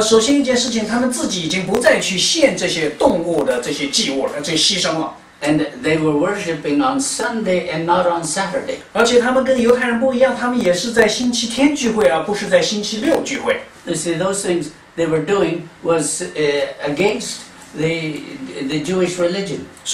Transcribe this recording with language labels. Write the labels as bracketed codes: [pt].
[zh] 首先一件事情，他们自己已经不再去献这些动物的这些祭物了，这牺牲了。 [en] And they were worshiping on Sunday and not on Saturday. [zh] 而且他们跟犹太人不一样，他们也是在星期天聚会，而不是在星期六聚会。 [en] You see, those things they were doing was against the Jewish religion.